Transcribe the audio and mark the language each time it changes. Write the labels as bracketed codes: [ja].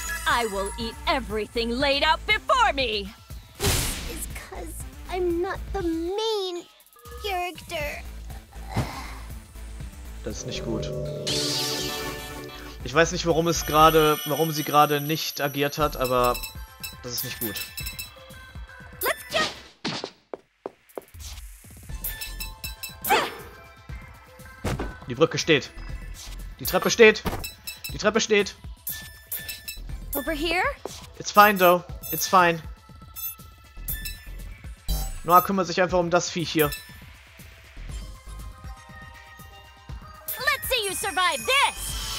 [en] I will eat everything laid out before me. This is 'cause I'm not the main character. [de] Das ist nicht gut. Ich weiß nicht, warum sie gerade nicht agiert hat, aber das ist nicht gut. Die Brücke steht. Die Treppe steht. Die Treppe steht. [en] Over here? It's fine, though. It's fine. [de] Noah kümmert sich einfach um das Vieh hier. [en] Let's see you survive this.